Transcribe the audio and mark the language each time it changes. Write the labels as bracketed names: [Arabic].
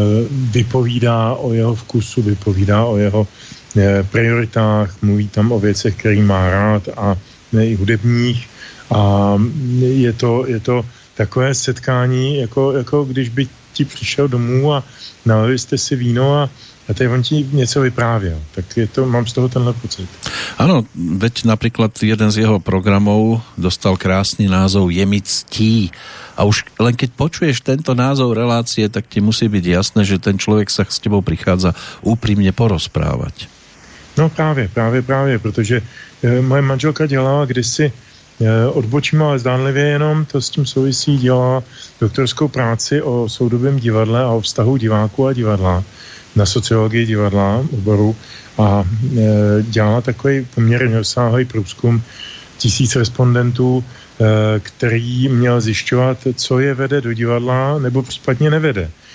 [Czech] vypovídá o jeho vkusu, vypovídá o jeho prioritách, mluví tam o věcech, který má rád a i hudebních a je to takové setkání, jako když by ti přišel domů a nalili jste si víno a teď on ti něco vyprávěl, tak je to, mám z toho tenhle pocit. [Slovak] Ano, veď například jeden z jeho programů dostal krásný názov Je mi ctí. A už len keď počuješ tento názov relácie, tak ti musí byť jasné, že ten človek sa s tebou prichádza úprimne porozprávať. No práve, pretože moja manželka [Czech] dělala kdysi odbočím, ale zdánlivě jenom to s tím souvisí, dělala doktorskou práci o soudobém divadle a o vztahu diváku a divadla na sociologii divadla oboru a dělala takový poměrně rozsáhlý průzkum 1000 respondentů, který měl zjišťovat, co je vede do divadla, nebo případně nevede.